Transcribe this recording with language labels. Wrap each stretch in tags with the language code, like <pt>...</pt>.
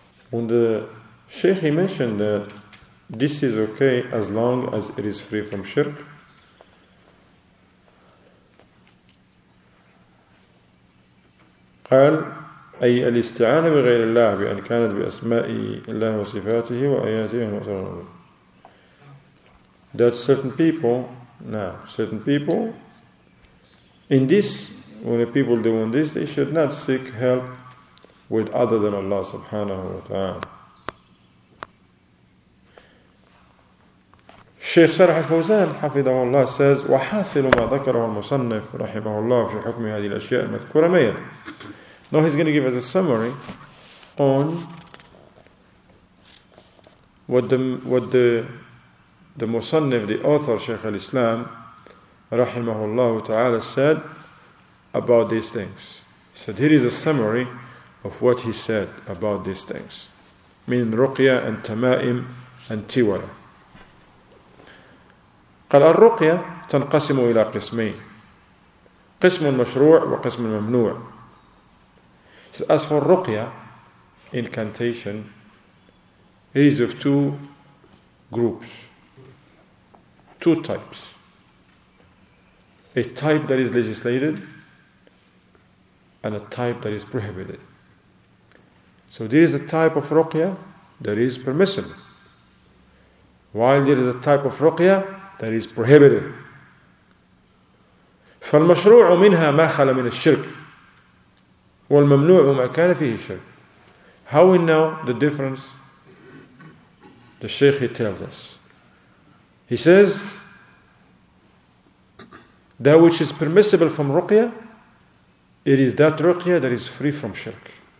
<en>When the Sheikh mentioned that this is okay as long as it is free from shirk,</en> <ar>قال أي الاستعانة بغير الله بأن كانت بأسماء الله وصفاته وآياته وأسراره.</ar> <en>That certain people, now certain people, in this, when the people doing this, they should not seek help with other than Allah subhanahu wa ta'ala.</en> <ar>Sheikh Sarah al-Fawzan, حفظه الله, says وحاصل ما ذكره المصنف رحمه الله في حكم هذه الأشياء المذكورة ميل.</ar> <en>Now he's going to give us a summary on what the Musannif, the author, Shaykh al-Islam, rahimahullah ta'ala, said about these things. He said, here is a summary of what he said about these things. Meaning ruqya and tamaim and tiwala.</en> <ar>قال الرقية تنقسم إلى قسمين. قسم مشروع وقسم ممنوع.</ar> <en>As for ruqya, incantation, it is of two groups, two types. A type that is legislated and a type that is prohibited. So there is a type of ruqya that is permissible, while there is a type of ruqya that is prohibited.</en> <ar>فَالْمَشْرُوعُ مِنْهَا مَا خَلَ مِنَ الشِّرْكِ والممنوع ما كان فيه شرك.</ar> <en>How we know the difference? The Shaykh, he tells us. He says, that which is permissible from ruqya, it is that ruqya that is free from shirk.</en>